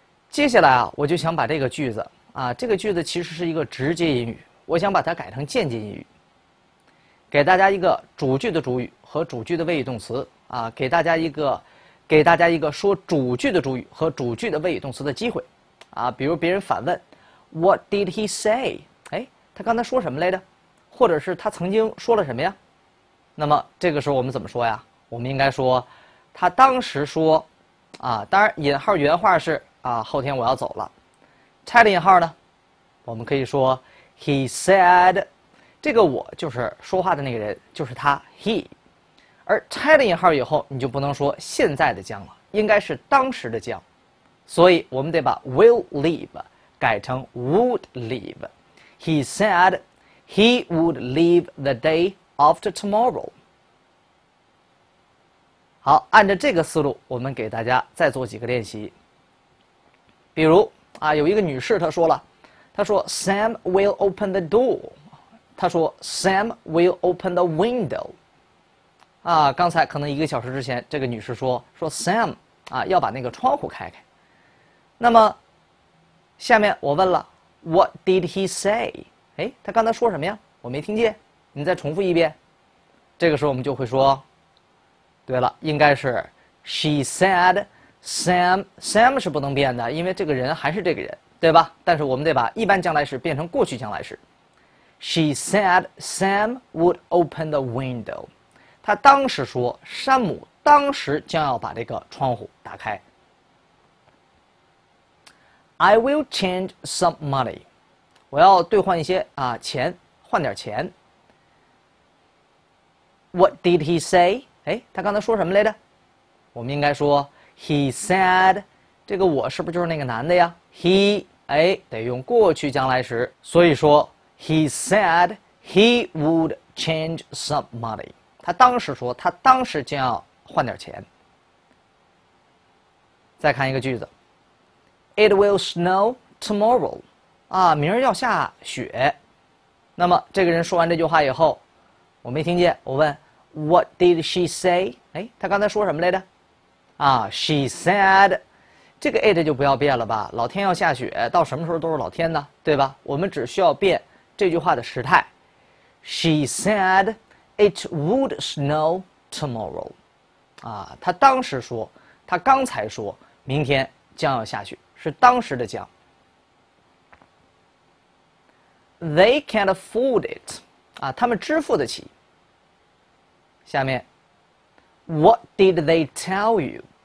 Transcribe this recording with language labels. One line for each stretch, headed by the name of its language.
Chinese: 接下来啊，我就想把这个句子啊，这个句子其实是一个直接引语，我想把它改成间接引语，给大家一个主句的主语和主句的谓语动词啊，给大家一个说主句的主语和主句的谓语动词的机会。啊，比如别人反问
English: "What did he say？"
Chinese: 哎，他刚才说什么来着？或者是他曾经说了什么呀？那么这个时候我们怎么说呀？我们应该说，他当时说，啊，当然引号原话是啊，后天我要走了。拆了引号呢，我们可以说
English: "He said"，
Chinese: 这个我就是说话的那个人，就是他 he。而拆了引号以后，你就不能说现在的将了，应该是当时的将。所以我们得把
English: will leave
Chinese: 改成
English: would leave。 He said he would leave the day after tomorrow。
Chinese: 好，按照这个思路，我们给大家再做几个练习。比如啊，有一个女士，她说了，她说
English: Sam will open the door，
Chinese: 她说
English: Sam will open the window。
Chinese: 啊，刚才可能一个小时之前，这个女士说 Sam 啊要把那个窗户开开。那么下面我问了
English: What did he say？
Chinese: 哎，他刚才说什么呀？我没听见，你再重复一遍。这个时候我们就会说，对了，应该是
English: She said Sam
Chinese: 是不能变的，因为这个人还是这个人，对吧？但是我们得把一般将来时变成过去将来时。
English: She said Sam would open the window。
Chinese: 他当时说山姆当时将要把这个窗户打开。
English: I will change some money，
Chinese: 我要兑换一些啊钱，换点钱。
English: What did he say？
Chinese: 哎，他刚才说什么来着？我们应该说
English: he said，
Chinese: 这个我是不是就是那个男的呀 ？
English: He，
Chinese: 哎，得用过去将来时，所以说
English: he said he would change some money。
Chinese: 他当时说他当时将要换点钱。再看一个句子。
English: It will snow tomorrow，
Chinese: 啊，明儿要下雪。那么这个人说完这句话以后，我没听见，我问
English: What did she say？
Chinese: 哎，他刚才说什么来着？啊 ，
English: She said，
Chinese: 这个 it 就不要变了吧？老天要下雪，到什么时候都是老天呢，对吧？我们只需要变这句话的时态。
English: She said it would snow tomorrow，
Chinese: 啊，他当时说，他刚才说，明天将要下雪。是当时的讲。
English: They can't afford it，
Chinese: 啊，他们支付得起。下面
English: ，What did they tell you？